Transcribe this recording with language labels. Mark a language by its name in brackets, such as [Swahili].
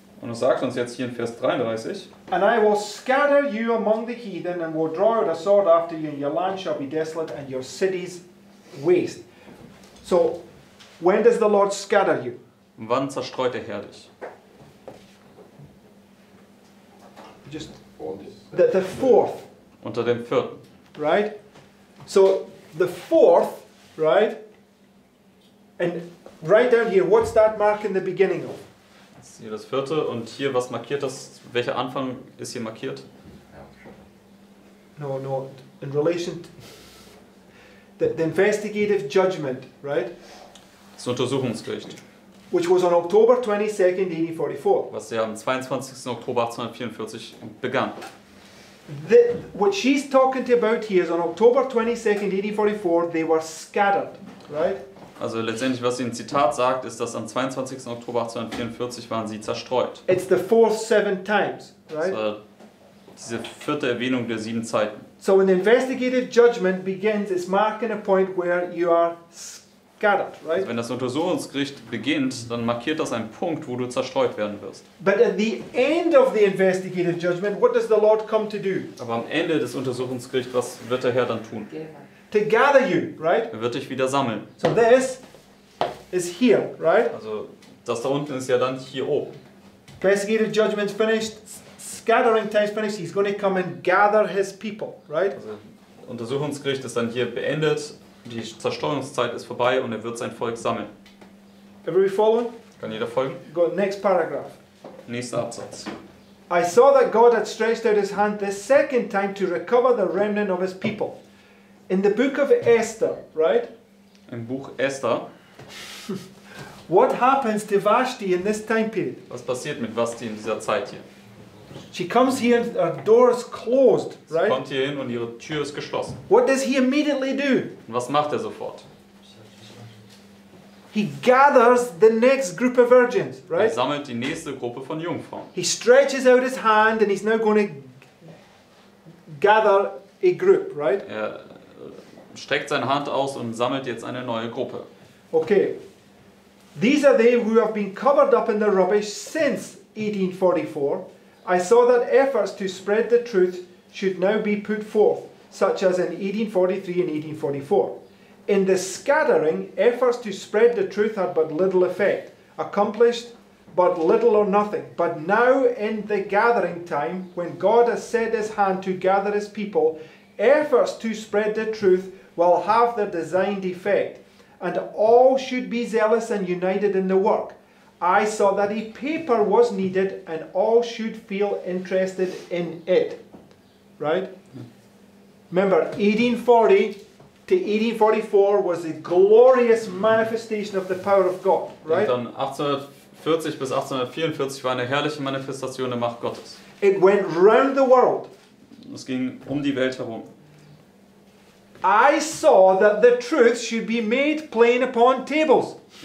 [German] Und es sagt uns jetzt hier in Vers 33. [English] And I will scatter you among the heathen and will draw out a sword after you, and your land shall be desolate and your cities waste. So, when does the Lord scatter you? [German] Wann zerstreut der Herr dich? [English] Just the fourth. [German] Unter dem vierten. [English] Right? So, the fourth, right? And right down here, what's that mark in the beginning of? [German] Hier das vierte und hier, was markiert das? Welcher Anfang ist hier markiert? [English] No, no, in relation to, the investigative judgment, right? [German] Das Untersuchungsgericht. [English] Which was on October 22nd, 1844. [German] Was ja am 22. Oktober 1844 begann. [English] What she's talking about here is on October 22nd, 1844, they were scattered, right? [German] Also letztendlich, was sie im Zitat sagt, ist, dass am 22. Oktober 1844 waren sie zerstreut. [English] It's the fourth seven times, right? [German] Das war diese vierte Erwähnung der sieben Zeiten. [English] So when the investigative judgment begins, it's marking a point where you are scattered, right? [German] Also wenn das Untersuchungsgericht beginnt, dann markiert das einen Punkt, wo du zerstreut werden wirst. [English] But at the end of the investigative judgment, what does the Lord come to do? [German] Aber am Ende des Untersuchungsgerichts, was wird der Herr dann tun? [English] To gather you, right? [German] Er wird dich wieder sammeln. [English] So this is here, right? [German] Also das da unten ist ja dann hier oben. [English] Investigative judgment finished. Scattering time finished. He's going to come and gather his people, right? [German] Also, Untersuchungsgericht ist dann hier beendet. Die Zerstreuungszeit ist vorbei und er wird sein Volk sammeln. [English] Everybody following? [German] Kann jeder folgen? [English] Go next paragraph. [German] Nächster Absatz. [English] I saw that God had stretched out his hand the second time to recover the remnant of his people. In the book of Esther, right? [German] Im Buch Esther. [English] What happens to Vashti in this time period? [German] Was passiert mit Vashti in dieser Zeit hier? [English] She comes here and her door is closed, right? [German] Sie kommt hier hin und ihre Tür ist geschlossen. [English] What does he immediately do? [German] Und was macht er sofort? [English] He gathers the next group of virgins, right? [German] Er sammelt die nächste Gruppe von Jungfrauen. [English] He stretches out his hand and he's now going to gather a group, right? [German] Er streckt seine Hand aus und sammelt jetzt eine neue Gruppe. [English] Okay. These are they who have been covered up in the rubbish since 1844. I saw that efforts to spread the truth should now be put forth, such as in 1843 and 1844. In the scattering, efforts to spread the truth had but little effect, accomplished but little or nothing. But now in the gathering time, when God has set his hand to gather his people, efforts to spread the truth will have the designed effect, and all should be zealous and united in the work. I saw that a paper was needed and all should feel interested in it. Right? Remember, 1840 to 1844 was a glorious manifestation of the power of God. Right? [German] Und dann 1840 bis 1844 war eine herrliche Manifestation der Macht Gottes. [English] It went round the world. [German] Es ging die Welt herum. [English] I saw that the truth should be made plain upon tables.